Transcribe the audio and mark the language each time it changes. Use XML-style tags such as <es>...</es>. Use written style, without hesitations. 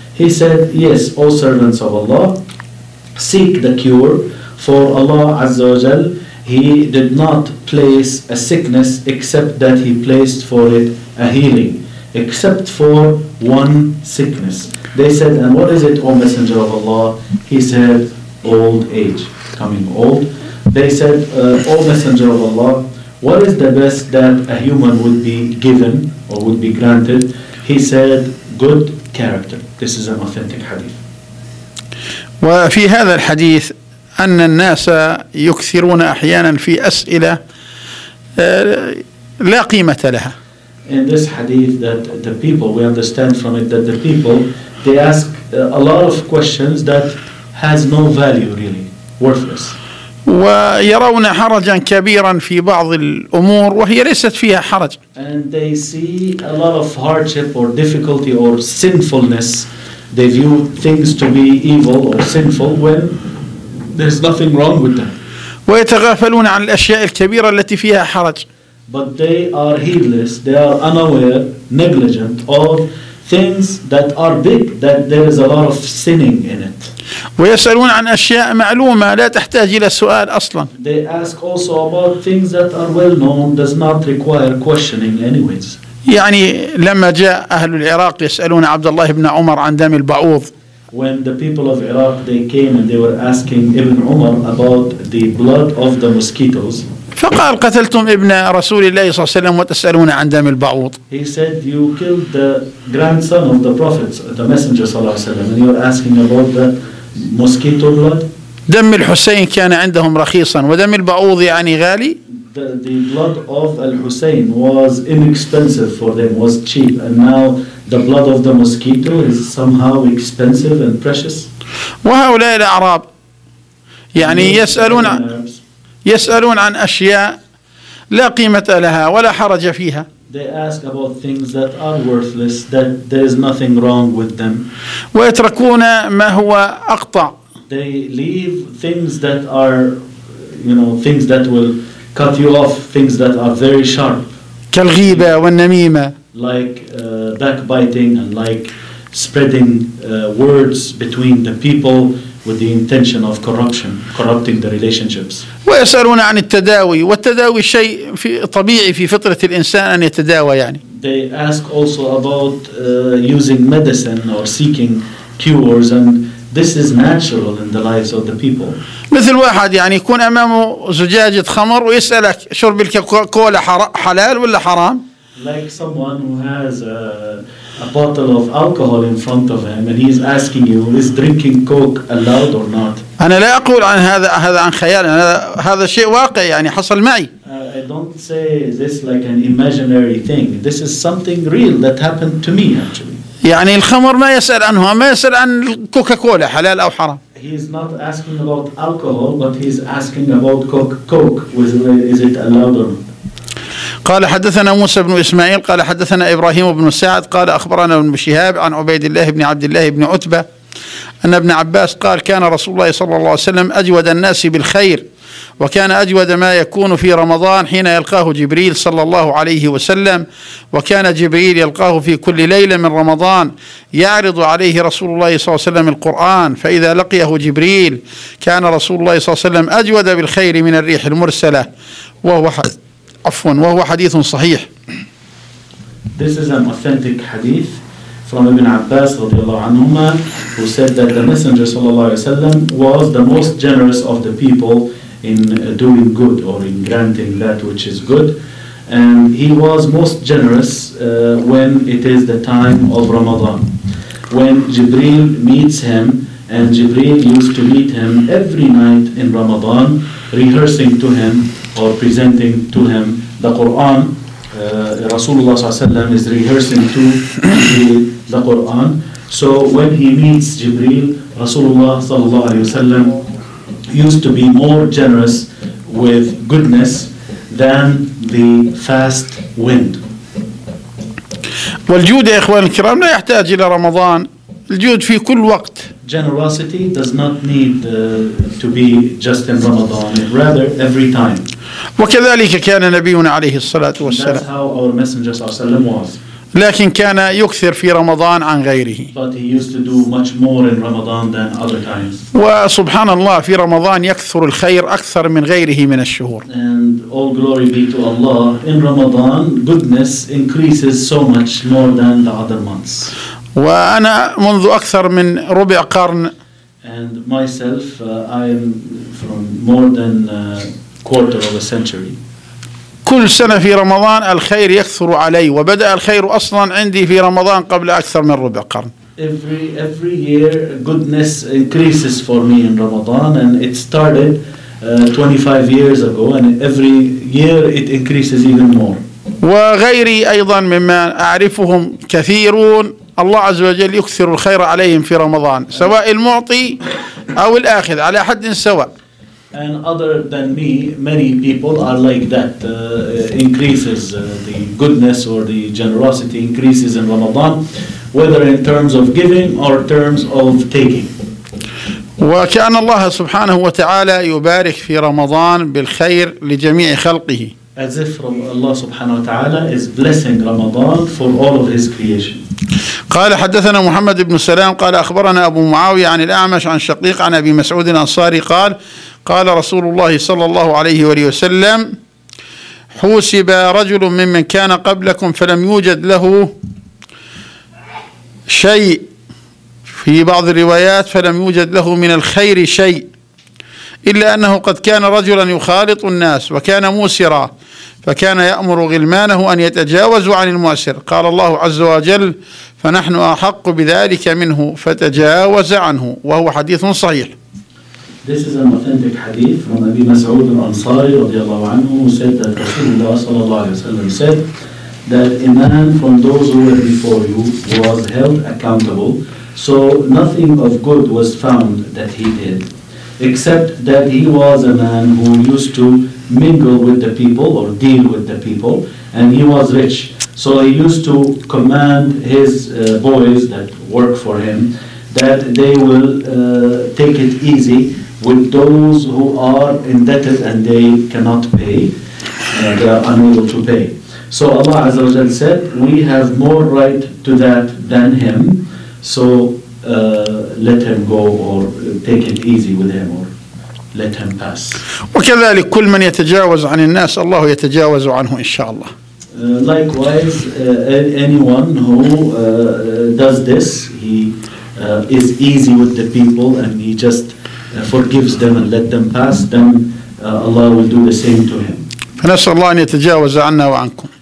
<en>He said, "Yes, O servants of Allah, seek the cure, for Allah</en> <ar>Azza wa Jal,</ar> <en>He did not place a sickness except that He placed for it a healing, except for one sickness." They said, "And what is it, O Messenger of Allah?" He said, "Old age, becoming old." They said, "O Messenger of Allah, what is the best that a human would be given or would be granted?" He said, "Good character." This is an authentic hadith.</en> <ar>وفي هذا الحديث أن الناس يكثرون أحيانا في أسئلة لا قيمة لها.</ar> <en>In this hadith, that the people, we understand from it that the people, they ask a lot of questions that has no value really, worthless.</en> <ar>ويرون حرجا كبيرا في بعض الأمور وهي ليست فيها حرج.</ar> <en>And they see a lot of hardship or difficulty or sinfulness. They view things to be evil or sinful when there's nothing wrong with them.</en> <ar>ويتغافلون عن الأشياء الكبيرة التي فيها حرج.</ar> <en>But they are heedless, they are unaware, negligent of things that are big, that there is a lot of sinning in it.</en> <ar>ويسألون عن أشياء معلومة لا تحتاج إلى سؤال أصلا.</ar> <en>They ask also about things that are well known, does not require questioning anyways.</en> <ar>يعني لما جاء أهل العراق يسألون عبد الله بن عمر عن دم البعوض.</ar> <en>When the people of Iraq, they came and they were asking Ibn Umar about the blood of the mosquitoes.</en> <ar>فقال قتلتم ابن رسول الله صلى الله عليه وسلم وتسألون عن دم البعوض.</ar> <en>He said, "You killed the grandson of the Prophet, the Messenger</en> <ar>صلى الله عليه وسلم,</ar> <en>and you're asking about the mosquito blood."</en> <ar>دم الحسين كان عندهم رخيصا ودم البعوض يعني غالي.</ar> <en>The blood of al-Hussein was inexpensive for them, was cheap, and now the blood of the mosquito is somehow expensive and precious.</en> <ar>وهؤلاء الأعراب يعني يسألون. يسألون عن أشياء لا قيمة لها ولا حرج فيها.</ar> <en>They ask about things that are worthless, that there is nothing wrong with them.</en> <ar>ويتركون ما هو أقطع.</ar> <en>They leave things that are, you know, things that will cut you off, things that are very sharp.</en> <ar>كالغيبة والنميمة.</ar> <en>Like backbiting and like spreading words between the people with the intention of corruption, corrupting the relationships.</en> <ar>ويسألون عن التداوي، والتداوي شيء في طبيعي في فطرة الإنسان أن يتداوى يعني.</ar> <en>They ask also about using medicine or seeking cures, and this is natural in the lives of the people.</en> <ar>مثل واحد يعني يكون أمامه زجاجة خمر ويسألك شرب الكوكولا حلال ولا حرام؟</ar> <en>Like someone who has a bottle of alcohol in front of him and he's asking you, is drinking coke allowed or not?</en> <ar>أنا لا أقول عن هذا عن خيال، هذا شيء واقع يعني حصل معي.</ar> <en>I don't say this like an imaginary thing. This is something real that happened to me actually.</en> <ar>يعني الخمر ما يسأل عنه، ما يسأل عن الكوكاكولا حلال أو حرام.</ar> <en>He is not asking about alcohol, but he is asking about coke. Is it allowed or not?</en> <ar>قال حدثنا موسى بن إسماعيل قال حدثنا إبراهيم بن سعد قال أخبرنا ابن شهاب عن عبيد الله بن عبد الله بن عتبة أن ابن عباس قال كان رسول الله صلى الله عليه وسلم أجود الناس بالخير وكان أجود ما يكون في رمضان حين يلقاه جبريل صلى الله عليه وسلم وكان جبريل يلقاه في كل ليلة من رمضان يعرض عليه رسول الله صلى الله عليه وسلم القرآن فإذا لقيه جبريل كان رسول الله صلى الله عليه وسلم أجود بالخير من الريح المرسلة وهو حد عفوا وهو حديث صحيح.</ar> <en>This is an authentic hadith from Ibn Abbas</en> <ar>رضي الله عنهما</ar> <en>who said that the Messenger</en> <ar>صلى الله عليه وسلم</ar> <en>was the most generous of the people in doing good or in granting that which is good and he was most generous when it is the time of Ramadan when Jibril meets him and Jibril used to meet him every night in Ramadan rehearsing to him or presenting to him the Quran.</en> <ar>Rasulullah sallallahu alayhi wa sallam</ar> <en>is rehearsing to the Quran. So when he meets Jibreel, Rasulullah</en> <ar>sallallahu alayhi wa sallam</ar> <en>used to be more generous with goodness than the fast wind.</en> <ar>والجود يا إخوان الكرام لا يحتاج إلى رمضان. الجود في كل وقت.</ar> <en>Generosity does not need to be just in Ramadan. Rather, every time.</en> <ar>وكذلك كان نبينا عليه الصلاة والسلام</ar> <en>That's how our messenger</en> <ar>صلى الله عليه وسلم</ar> <en>was.</en> <ar>لكن كان يكثر في رمضان عن غيره</ar> <en>But he used to do much more in Ramadan than other times.</en> <ar>وسبحان الله في رمضان يكثر الخير أكثر من غيره من الشهور</ar> <en>And all glory be to Allah. In Ramadan, goodness increases so much more than the other months.</en> <ar>وأنا منذ أكثر من ربع قرن</ar> <en>And myself, I am from more than quarter of a century.</en> <ar>كل سنة في رمضان الخير يكثر علي وبدأ الخير أصلا عندي في رمضان قبل أكثر من ربع قرن.</ar> <en>Every year goodness increases for me in Ramadan and it started 25 years ago and every year it increases even more.</en> <ar>وغيري أيضا مما أعرفهم كثيرون الله عز وجل يكثر الخير عليهم في رمضان سواء المعطي أو الآخذ على حد سواء.</ar> <en>And other than me, many people are like that. Increases the goodness or the generosity increases in Ramadan, whether in terms of giving or terms of taking.</en> <ar>وكأن الله سبحانه وتعالى يبارك في رمضان بالخير لجميع خلقه.</ar> <en>As if Allah</en> <ar>سبحانه وتعالى</ar> <en>is blessing Ramadan for all of His creation.</en> <ar>قال حدثنا محمد بن سلام قال أخبرنا أبو معاوية عن الأعمش عن شقيق عن أبي مسعود الأنصاري قال قال رسول الله صلى الله عليه وسلم حوسب رجل ممن كان قبلكم فلم يوجد له شيء في بعض الروايات فلم يوجد له من الخير شيء إلا أنه قد كان رجلا يخالط الناس وكان موسرا فكان يأمر غلمانه أن يتجاوزوا عن المؤسر قال الله عز وجل فنحن أحق بذلك منه فتجاوز عنه وهو حديث صحيح.</ar> <en>This is an authentic hadith from Abi Mas'ud al-Ansari</en> <ar>رضي الله عنه</ar> <en>who said that Rasulullah</en> <ar>صلى الله عليه وسلم</ar> <en>said that a man from those who were before you was held accountable so nothing of good was found that he did except that he was a man who used to mingle with the people or deal with the people and he was rich so he used to command his boys that work for him that they will take it easy with those who are indebted and they cannot pay, they are unable to pay. So Allah</en> <ar>Azza wa Jalla</ar> <en>said, we have more right to that than him, so let him go or take it easy with him or let him pass.</en> <ar>وكذلك كل من يتجاوز عن الناس الله يتجاوز عنه إن شاء الله.</ar> <en>Likewise, anyone who does this, he is easy with the people and he just forgives them and let them pass, then Allah will do the same to him.</en> <ar>فنسأل الله أن يتجاوز عنا وعنكم.</ar>